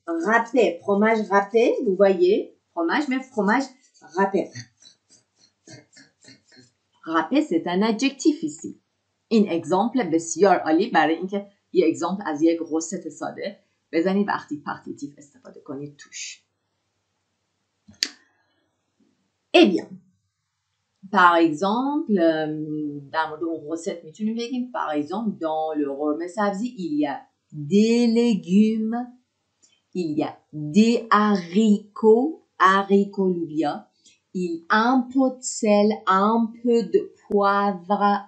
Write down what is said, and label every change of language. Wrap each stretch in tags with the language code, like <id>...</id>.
<fr>Râpé. Fromage râpé, vous voyez. Fromage, mais fromage râpé. Râpé, c'est un adjectif ici. Un exemple,</fr> <fa>بسیار عالی برای اینکه یه exemple از یک رسیت ساده بزنید و article partitif استفاده کنید توش.</fa> <fr>Eh bien. Par exemple, dans mon recette, mais tu ne veux pas. Par exemple, dans le rôle, mais ça veut dire, il y a des légumes, il y a des haricots lubia, il y a un peu de sel, un peu de poivre,</fr>